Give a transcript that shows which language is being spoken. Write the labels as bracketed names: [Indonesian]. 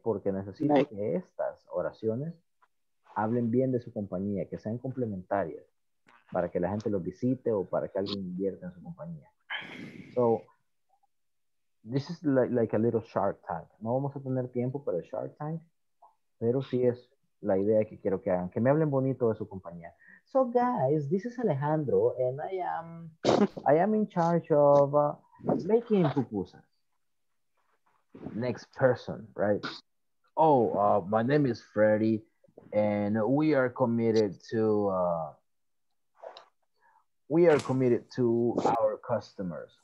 [Spanish] Porque necesito que estas oraciones hablen bien de su compañía, que sean complementarias para que la gente los visite o para que alguien invierta en su compañía. [English] So, this is like a little shark tank. [Spanish] No vamos a tener tiempo para el shark tank, pero sí es la idea que quiero que hagan. Que me hablen bonito de su compañía. [English] So guys, this is Alejandro, and I am in charge of making pupusas. Next person, right? Oh, my name is Freddy, and we are committed to our customers.